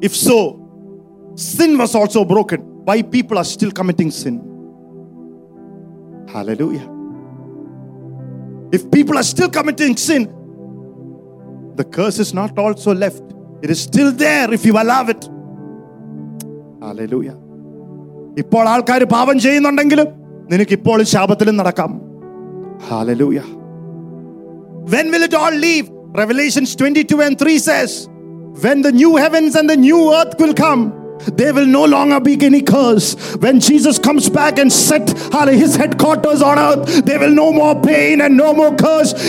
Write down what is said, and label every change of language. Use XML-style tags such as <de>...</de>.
<en>If so, sin was also broken. Why people are still committing sin? Hallelujah. If people are still committing sin, the curse is not also left. It is still there if you allow it. Hallelujah.</en> <ml>ഇപ്പോൾ ആൾക്കാർ പാപം ചെയ്യുന്നുണ്ടെങ്കിലും നിനക്ക് ഇപ്പോഴും ശാപത്തിലും നടക്കാം.</ml> <en>Hallelujah. When will it all leave? Revelations 22 and 3 says, when the new heavens and the new earth will come, there will no longer be any curse. When Jesus comes back and set his headquarters on earth, there will no more pain and no more curse.</en>